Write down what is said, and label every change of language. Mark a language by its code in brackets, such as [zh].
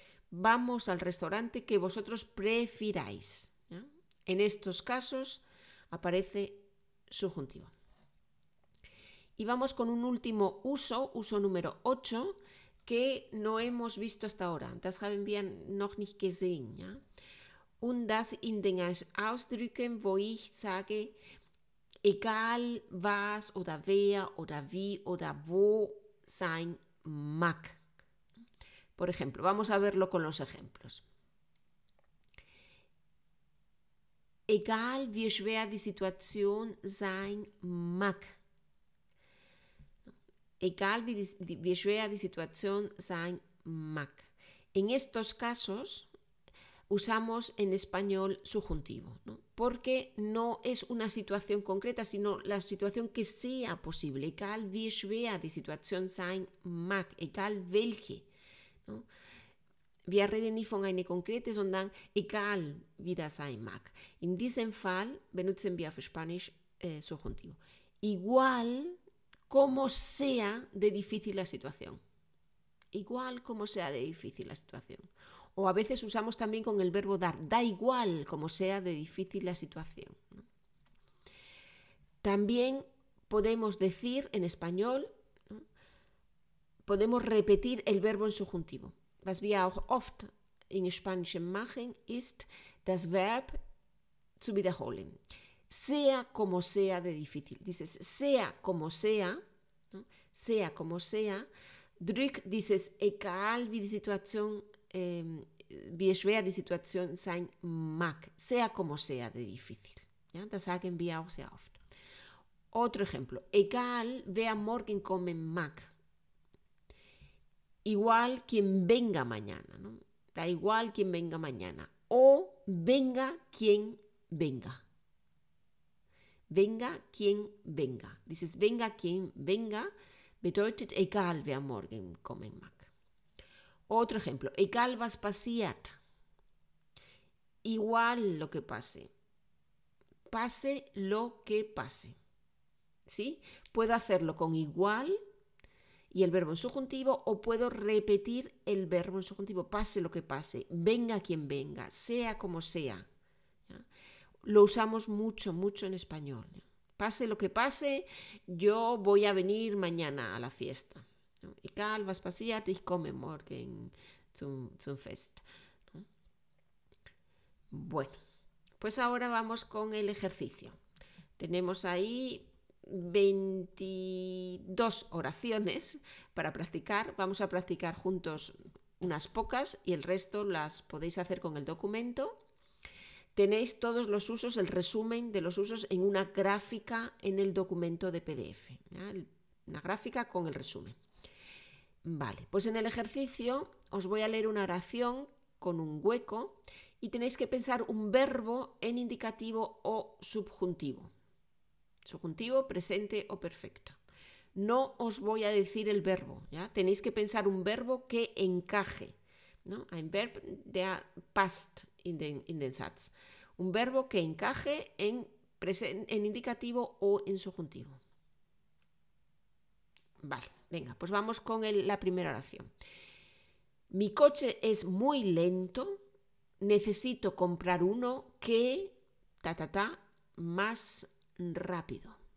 [es] Vamos al restaurante que vosotros prefiráis. ¿Ya? En estos casos aparece subjuntivo. Y vamos con un último uso, uso número 8, que no hemos visto hasta ahora. [de] Das haben wir noch nicht gesehen. ¿Ya? Und das in den Ausdrücken, wo ich sage, egal was oder wer oder wie oder wo sein mag. [es] Por ejemplo, vamos a verlo con los ejemplos. [de] Egal wie schwer die Situation sein mag. Egal wie schwer die Situation sein mag. [es] En estos casos usamos en español subjuntivo, ¿no? Porque no es una situación concreta, sino la situación que sea posible. [de] Egal wie schwer die Situation sein mag, egal welche. ¿No? Wir reden nicht von einer konkreten, sondern egal wie das sein mag. In diesem Fall benutzen wir auf Spanisch subjuntivo. [es] Igual como sea de difícil la situación. Igual como sea de difícil la situación. O a veces usamos también con el verbo dar. Da igual como sea de difícil la situación. También podemos decir en español, podemos repetir el verbo en subjuntivo. [de] Was wir auch oft in Spanisch machen, ist das Verb zu wiederholen. [es] Sea como sea de difícil. Dices, sea como sea, ¿no? Sea como sea. [de] Drück, [es] dices, [de] egal wie die Situation wie schwer die Situation sein mag, [es] sea como sea de difícil. [de] Ja, das sagen wir auch sehr oft. [es] Otro ejemplo. [de] Egal wer morgen kommen mag. [es] Igual quien venga mañana. ¿No? Da igual quien venga mañana. O venga quien venga. Venga quien venga. Dices venga quien venga [de] bedeutet egal wer morgen kommen mag. [es] Otro ejemplo, [de] egal was passiert, [es] igual lo que pase, pase lo que pase, ¿sí? Puedo hacerlo con igual y el verbo en subjuntivo o puedo repetir el verbo en subjuntivo, pase lo que pase, venga quien venga, sea como sea, ¿ya? Lo usamos mucho, mucho en español, ¿ya? Pase lo que pase, yo voy a venir mañana a la fiesta. [de] Egal was passiert, ich komme morgen zum Fest. [es] Bueno, pues ahora vamos con el ejercicio. Tenemos ahí 22 oraciones para practicar. Vamos a practicar juntos unas pocas y el resto las podéis hacer con el documento. Tenéis todos los usos, el resumen de los usos en una gráfica en el documento de PDF, ¿ya? Una gráfica con el resumen. Vale, pues en el ejercicio os voy a leer una oración con un hueco y tenéis que pensar un verbo en indicativo o subjuntivo. Subjuntivo, presente o perfecto. No os voy a decir el verbo, ¿ya? Tenéis que pensar un verbo que encaje, ¿no? [de] Ein Verb, der passt in den Satz. [es] Un verbo que encaje en indicativo o en subjuntivo. Vale, venga, pues vamos con la primera oración. Mi coche es muy lento, necesito comprar uno que, ta, ta, ta, más rápido.